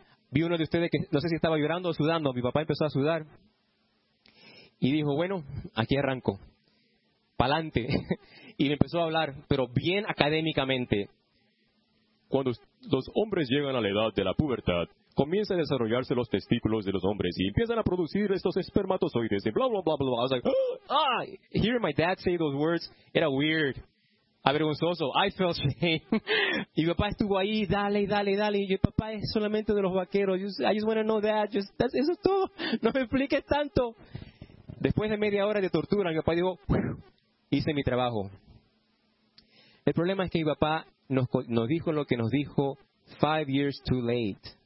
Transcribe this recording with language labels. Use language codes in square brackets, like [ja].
[es] Vi uno de ustedes que no sé si estaba llorando o sudando. Mi papá empezó a sudar. Y dijo, bueno, aquí arranco. Pa'lante. Y me empezó a hablar, pero bien académicamente. Cuando los hombres llegan a la edad de la pubertad, comienzan a desarrollarse los testículos de los hombres y empiezan a producir estos espermatozoides. Y bla, bla, bla, bla. [en] I was like, ah, hearing my dad say those words, era weird. Avergonzoso. I felt shame. [es] Y mi papá estuvo ahí, dale, dale, dale. Y yo, papá, es solamente de los vaqueros. [en] I just want to know that. Just, that's, [es] eso es todo. No me expliques tanto. Después de media hora de tortura, mi papá dijo, hice mi trabajo. El problema es que mi papá nos dijo lo que nos dijo [en] 5 years too late.